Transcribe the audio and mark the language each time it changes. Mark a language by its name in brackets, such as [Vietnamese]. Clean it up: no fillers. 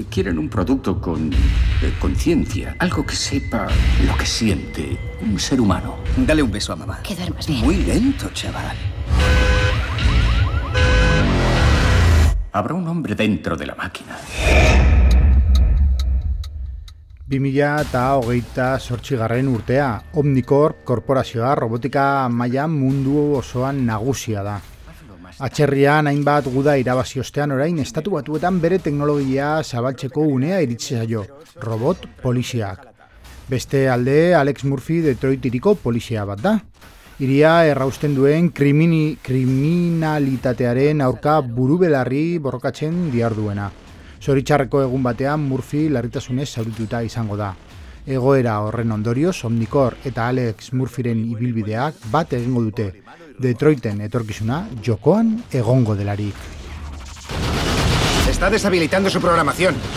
[Spanish] Quieren un producto con conciencia, algo que sepa lo que siente un ser humano. Dale un beso a mamá. Que duermas bien. Muy lento, chaval. Habrá un hombre dentro de la máquina. [Basque] 2028 urtea, Omnicorp korporazioa robotika mailan mundu osoan nagusia da. Atxerrian hainbat guda irabazi ostean orain estatu batuetan bere teknologia zabaltzeko unea iritsi zaio, robot poliziak. Beste alde Alex Murphy Detroit iriko polizia bat da. Iria errausten duen kriminalitatearen aurka burubelarri borrokatzen diarduena. Zoritxarreko egun batean Murphy larritasunez zaurituta izango da. Egoera horren ondorioz, Omnicorp eta Alex Murphyren ibilbideak bat egingo dute. Detroiten etorkizuna jokoan egongo delarik. [Spanish] Está deshabilitando su programación.